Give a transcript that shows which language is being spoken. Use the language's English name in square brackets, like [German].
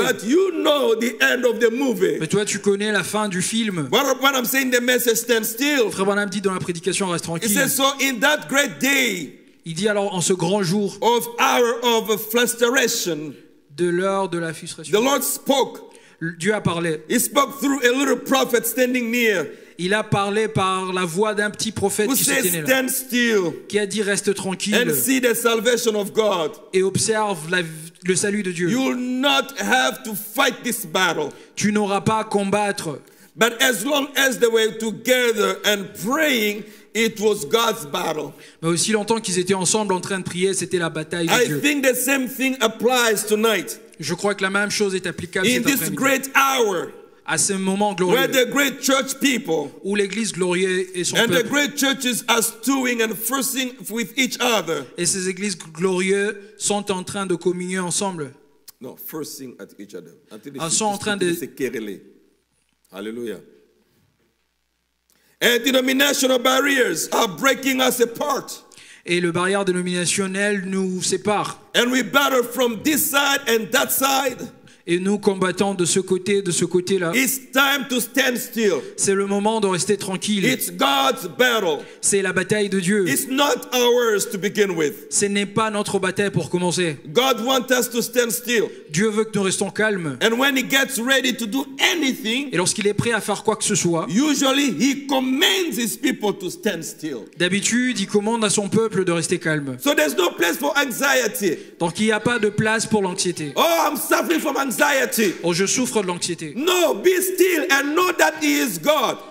[English] But you know the end of the movie. [French] Mais toi tu connais la fin du film. [English] What I'm saying, the message, stand still. [French] Frère Branham dit dans la prédication, reste tranquille. [English] He says, so in that great day, [French] il dit alors en ce grand jour [English] of hour of frustration, [French] de l'heure de la frustration, [English] the Lord spoke. [French] Dieu a parlé. [English] He spoke through a little prophet standing near. [French] Il a parlé par la voix d'un petit prophète [English] who [French] qui se tenait là. [English] Stand still, [French] qui a dit reste tranquille. [English] And see the salvation of God. [French] Et observe le salut de Dieu. [English] You'll not have to fight this battle. [French] Tu n'auras pas à combattre. [English] But as long as they were together and praying, it was God's battle. [French] Mais aussi longtemps qu'ils étaient ensemble en train de prier, c'était la bataille de [English] I [French] Dieu. [English] I think the same thing applies tonight. [French] Je crois que la même chose est applicable [English] in [French] cet [English] this [French] après-midi. [English] Great hour, [French] à ce moment glorieux, [English] where the great church people, [French] où l'église glorieuse et son [English] and [French] peuple, [English] the great churches are stewing and fussing with each other, [French] et ces églises glorieuses sont en train de communier ensemble. [English] No, fussing at each other. [French] Elles sont en train de se quereller. Alléluia. [English] And denominational barriers are breaking us apart. [French] Et le barrière dénominationnel nous sépare. [English] And we battle from this side and that side. [French] Et nous combattons de ce côté-là. [English] It's time to stand still. [French] C'est le moment de rester tranquille. [English] It's God's battle. [French] C'est la bataille de Dieu. [English] It's not ours to begin with. [French] Ce n'est pas notre bataille pour commencer. [English] God wants us to stand still. [French] Dieu veut que nous restions calmes. [English] And when he gets ready to do anything, [French] et lorsqu'il est prêt à faire quoi que ce soit, [English] usually he commands his people to stand still. [French] D'habitude, il commande à son peuple de rester calme. [English] So there's no place for anxiety. [French] Donc il n'y a pas de place pour l'anxiété. [English] Oh, I'm suffering from anxiety. [French] Oh, je souffre de l'anxiété. [English] No, be still and know that he is God.